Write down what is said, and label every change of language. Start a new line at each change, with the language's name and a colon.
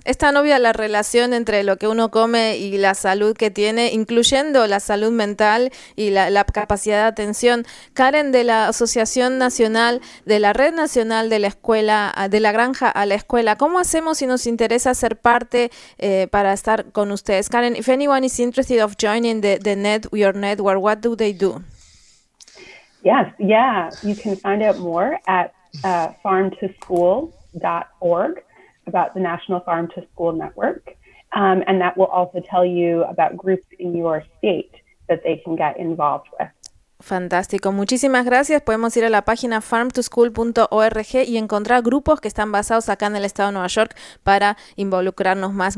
Spanish: Esta novia, la relación entre lo que uno come y la salud que tiene, incluyendo la salud mental y la capacidad de atención. Karen, de la Asociación Nacional, de la Red Nacional de la Escuela, de la Granja a la Escuela, ¿cómo hacemos si nos interesa ser parte para estar con ustedes?
English: Karen, if anyone is interested of joining the net, your network, what do they do? Yes, yeah, you can find out more at farmtoschool.org. about the National Farm to School Network, and that will also tell you about groups in your state that they can get involved with.
Spanish: Fantástico, muchísimas gracias. Podemos ir a la página farmtoschool.org y encontrar grupos que están basados acá en el estado de Nueva York para involucrarnos más.